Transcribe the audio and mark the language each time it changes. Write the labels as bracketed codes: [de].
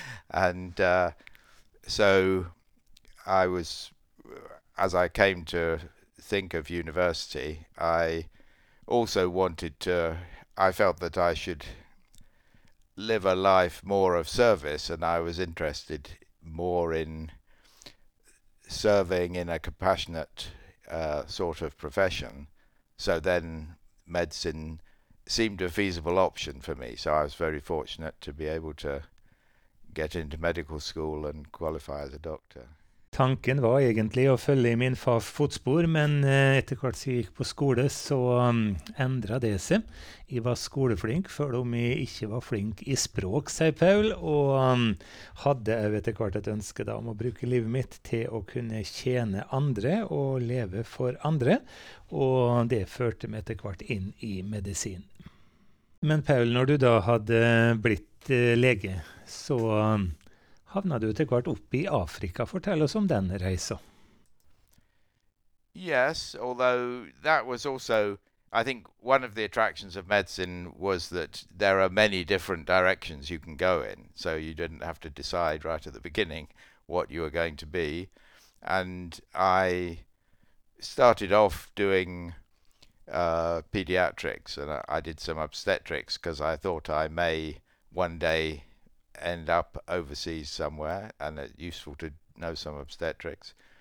[en] And so I was, as I came to think of university, I felt that I should live a life more of service, and I was interested more in serving in a compassionate sort of profession. So then medicine seemed a feasible option for me. So I was very fortunate to be able to get into medical school and qualify as a doctor. [no] Tanken var egentlig å følge I min fars fotspor, men etter hvert som jeg gikk på skole, så endret det seg. Jeg var skoleflink, før om jeg ikke var flink I språk, sier Paul, og hadde etter hvert et ønske da, om å bruke livet mitt til å kunne tjene andre og leve for andre, og det førte meg etter hvert inn I medisin. Men Paul, når du da hadde blitt lege, så havnet du til hvert opp I Afrika. Fortell oss om den reisen. [en] Yes, although that was also, I think one of the attractions of medicine was that there are many different directions you can go in. So you didn't have to decide right at the beginning what you were going to be. And I started off doing pediatrics, and I did some obstetrics because I thought I may one day end up overseas somewhere, and it's useful to know some obstetrics.